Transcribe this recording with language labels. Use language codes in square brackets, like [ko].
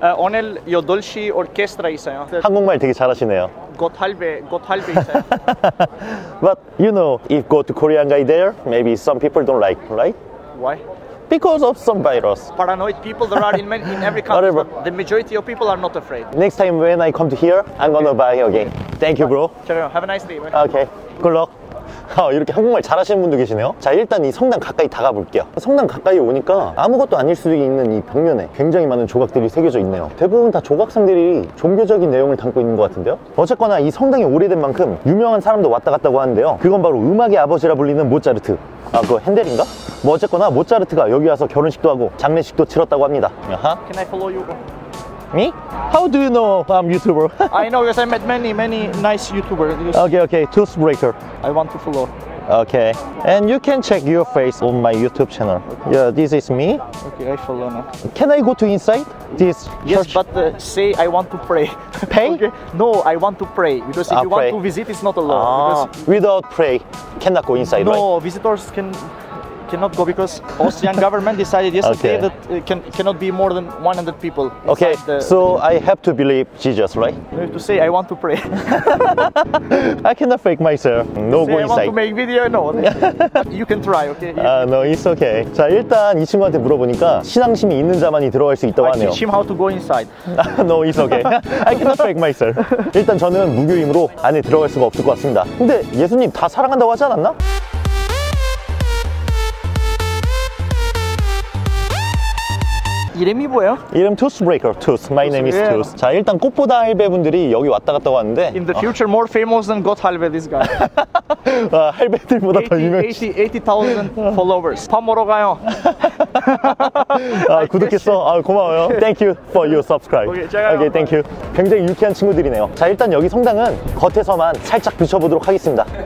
[ko] 오늘 8시 오케스트라 있어요. 한국말 되게 잘하시네요. 곧할배 있어요. [en] But you know if go to Korean guy there maybe some people don't like, right? Why? Because of some virus. Paranoid people there are in every country. Whatever. The majority of people are not afraid. Next time when I come to here, I'm gonna buy again. Thank you, bro. Have a nice day. Bye. Okay. Good luck. [ko] 이렇게 한국말 잘하시는 분도 계시네요. 자 일단 이 성당 가까이 다가볼게요. 성당 가까이 오니까 아무것도 아닐 수도 있는 이 벽면에 굉장히 많은 조각들이 새겨져 있네요. 대부분 다 조각상들이 종교적인 내용을 담고 있는 것 같은데요. 어쨌거나 이 성당이 오래된 만큼 유명한 사람도 왔다 갔다고 하는데요. 그건 바로 음악의 아버지라 불리는 모차르트. 아 그거 핸델인가? 뭐 어쨌거나 모차르트가 여기 와서 결혼식도 하고 장례식도 치렀다고 합니다. 아하. [en] Can I follow you? Me? How do you know I'm YouTuber? I know because I met many nice YouTubers. Okay. Tooth breaker. I want to follow. Okay. And you can check your face on my YouTube channel. Okay. Yeah, this is me. Okay, I follow now. Can I go to inside this yes, church? Yes, but say I want to pray. Pay? Okay. No, I want to pray. Because if you pray. Want to visit, it's not allowed. Because without pray, cannot go inside, no, right? No, visitors can... cannot go because Austrian government decided yesterday okay. that cannot be more than 100 people. Okay, so I have to believe Jesus, right? You have to say, I want to pray. I cannot fake myself. No go inside. I want to make video? No. You can try, okay? No, it's okay. [ko] 자, 일단 이 친구한테 물어보니까 신앙심이 있는 자만이 들어갈 수 있다고 하네요. [en] I teach him how to go inside. No, it's okay. I cannot fake myself. [ko] 일단 저는 무교이므로 안에 들어갈 수가 없을 것 같습니다. 근데 예수님 다 사랑한다고 하지 않았나? 이름이 뭐예요? 이름 Tooth Breaker, Tooth. [en] My name is Tooth. [ko] 자 일단 꽃보다 할배 분들이 여기 왔다 갔다 왔는데 [en] In the future, more famous than Gotthalve, this guy. [ko] 아, 할배들보다 더 유명해. [en] 80,000 followers. [ko] 밥 먹으러 가요. 아, 구독했어. 아, 고마워요. [en] Thank you for your subscribe. Okay, thank you. [ko] 굉장히 유쾌한 친구들이네요. 자 일단 여기 성당은 겉에서만 살짝 비춰보도록 하겠습니다.